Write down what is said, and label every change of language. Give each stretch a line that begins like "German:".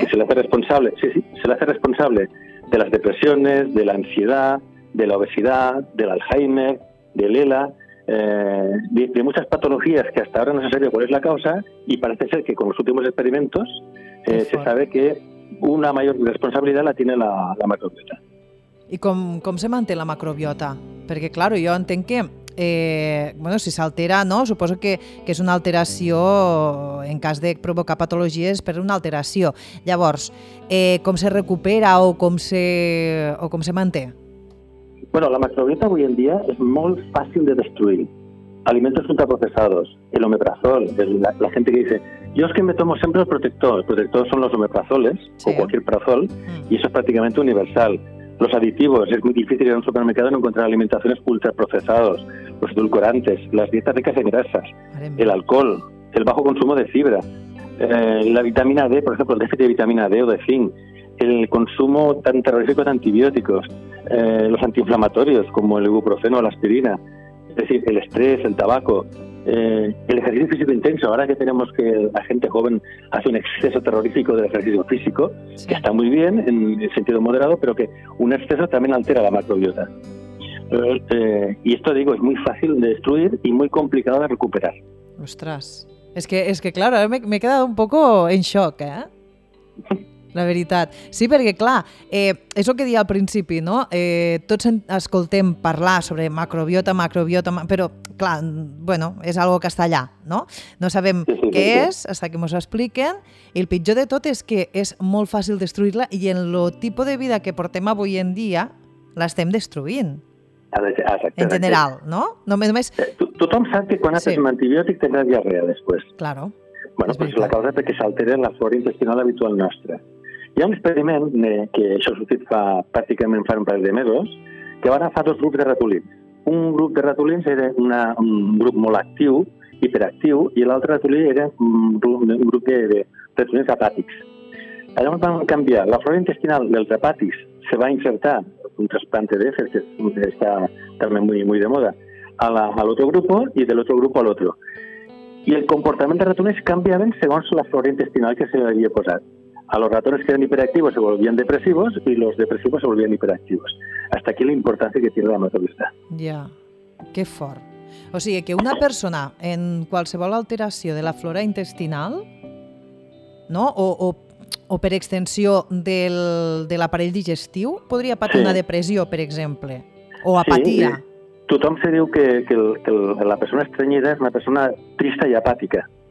Spanish: que se le hace responsable, se le hace responsable de las depresiones, de la ansiedad, de la obesidad, del Alzheimer, del ELA, de muchas patologías que hasta ahora no se sabe cuál es la causa, y parece ser que con los últimos experimentos se sabe que una mayor responsabilidad la tiene la macrobiota. ¿Y cómo se mantiene la macrobiota? Porque claro, yo entiendo que bueno,
Catalan: si s'altera, no? Suposo que és una alteració, en cas de provocar patologies, per una alteració. Llavors, com se recupera o com se manté? Bueno, la macrobiota avui en dia és molt fàcil de destruir.
Spanish: Alimentos ultraprocesados, el omeprazol, la gente que dice, yo es que me tomo siempre el protector son los omeprazoles, sí, o cualquier prazol, y eso es prácticamente universal. Los aditivos, es muy difícil ir a un supermercado no encontrar alimentaciones ultraprocesados, los edulcorantes, las dietas ricas en grasas, el alcohol, el bajo consumo de fibra, la vitamina D, por ejemplo, el déficit de vitamina D o de zinc, el consumo tan terrorífico de antibióticos, los antiinflamatorios como el ibuprofeno o la aspirina, es decir, el estrés, el tabaco, el ejercicio físico intenso. Ahora que tenemos que la gente joven hace un exceso terrorífico del ejercicio físico, sí, que está muy bien en el sentido moderado, pero que un exceso también altera la macrobiota. Y esto, digo, es muy fácil de destruir y muy complicado de recuperar. Ostras, es que claro, me he quedado un poco en shock,
Catalan: La veritat. Sí, perquè, clar, és el que deia al principi, no? Tots escoltem parlar sobre macrobiota, però, clar, bueno, és algo que està allà, no? No sabem què és,
Spanish: hasta que
Catalan: ens ho expliquen, i el pitjor de tot és que és molt fàcil destruir-la i en el tipus de vida que portem avui en dia l'estem destruint. Exacte. En general, no? Només... Tothom sap que quan haces un antibiòtic tens diarrea després.
Spanish: Claro. Bueno, pues
Catalan: la causa és que s'altera la flora intestinal habitual nostra. Hi ha un experiment, que això s'ha fet pràcticament fa un parell de mesos, que van agafar 2 grups de ratolins. Un grup de ratolins era un grup molt actiu, hiperactiu, i l'altre ratolí era un grup de ratolins apàtics. Allà van canviar. La flora intestinal dels apàtics se va insertar, un trasplant de fer, que està també molt, molt de moda, a l'altre grup i de l'altre grup a l'altre. I el comportament de ratolins canviaven segons la flora intestinal que se li havia posat.
Spanish: A los ratones que eran hiperactivos se volvían depresivos y los depresivos se volvían hiperactivos. Hasta aquí la importancia que tiene la macrobiota. Ya, qué fort. O sea,
Catalan: que una persona en qualsevol alteració de la flora intestinal, no, o per extensió de l'aparell digestiu, podria patir, sí, una depressió, per exemple, o apatia. Sí, tothom se diu que la persona estrenyida és una persona trista i apàtica.